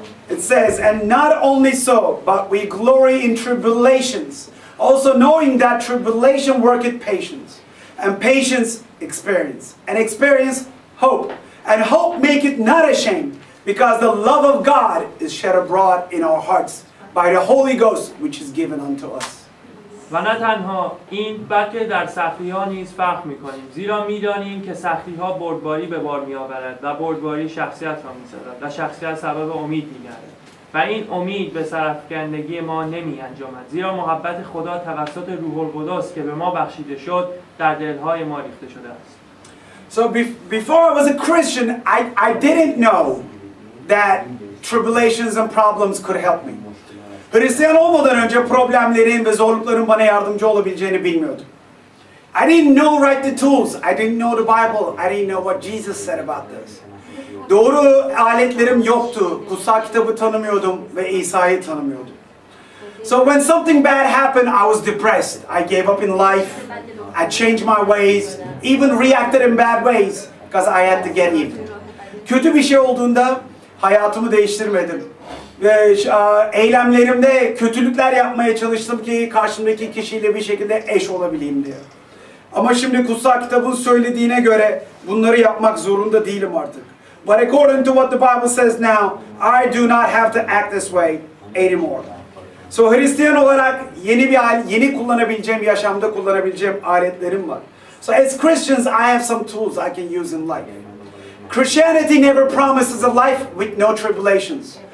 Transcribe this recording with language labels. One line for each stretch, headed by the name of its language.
English: It says, and not only so, but we glory in tribulations, also knowing that tribulation worketh patience, and patience experience, and experience hope, and hope maketh not ashamed, because the love of God is shed abroad in our hearts by the Holy Ghost, which is given unto us.
Persian: و نه تنها این بلکه در سختی ها نیز فخر می کنیم زیرا می دانیم که سختی ها بردباری به بار می آورد و بردباری شخصیت را می سازد و شخصیت سبب امید می گردد و این امید به سرافکندگی ما نمی انجامد زیرا محبت خدا توسط روح القدس که به ما بخشیده شد در دل های ما ریخته شده است.
English: So before I was a Christian, I didn't know that tribulations and problems could help me.
Turkish: Hristiyan olmadan önce problemlerin ve zorlukların bana yardımcı olabileceğini bilmiyordum.
English: I didn't know right the tools. I didn't know the Bible. I didn't know what Jesus said about this.
Turkish: Doğru aletlerim yoktu. Kutsal kitabı tanımıyordum ve İsa'yı tanımıyordum.
English: So when something bad happened, I was depressed. I gave up in life. I changed my ways. Even reacted in bad ways because I had to get even.
Turkish: Kötü bir şey olduğunda hayatımı değiştirmedim. Ve eylemlerimde kötülükler yapmaya çalıştım ki karşımdaki kişiyle bir şekilde eş olabileyim diye. Ama şimdi kutsal kitabın söylediğine göre bunları yapmak zorunda değilim artık.
English: But according to what the Bible says now, I do not have to act this way anymore.
Turkish: So Hristiyan olarak yeni kullanabileceğim, yaşamda kullanabileceğim aletlerim var.
English: So as Christians, I have some tools I can use in life. Christianity never promises a life with no tribulations.